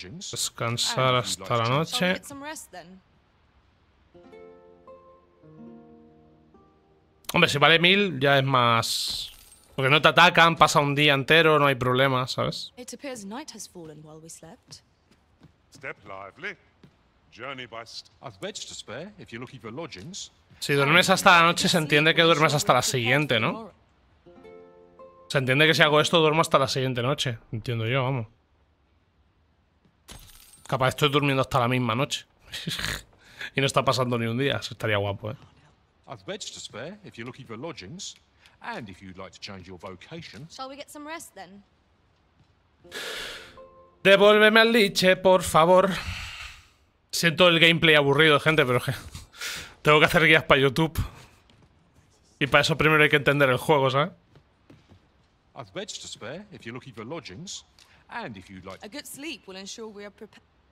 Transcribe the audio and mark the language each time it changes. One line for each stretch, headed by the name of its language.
Spanish: Descansar hasta la noche. Hombre, si vale 1.000, ya es más. Porque no te atacan, pasa un día entero, no hay problema, ¿sabes?
English: It appears night has fallen while we slept. Step lively. Journey by I've beds to spare if you're looking for lodgings.
Spanish: Si duermes hasta la noche, se entiende que duermes hasta la siguiente, ¿no? Se entiende que si hago esto, duermo hasta la siguiente noche. Entiendo yo, vamos. Capaz estoy durmiendo hasta la misma noche. Y no está pasando ni un día. Eso estaría guapo, ¿eh?
English: I've beds to spare if you're looking for lodgings. And if you'd like to change your vocation. Shall we get some rest then?
Spanish: Devuélveme al liche, por favor. Siento el gameplay aburrido, gente, pero que tengo que hacer guías para YouTube. Y para eso primero hay que entender el juego, ¿sabes?
English: I've beds to spare if you're looking for lodgings. And if you'd like a good sleep will ensure we are prepared.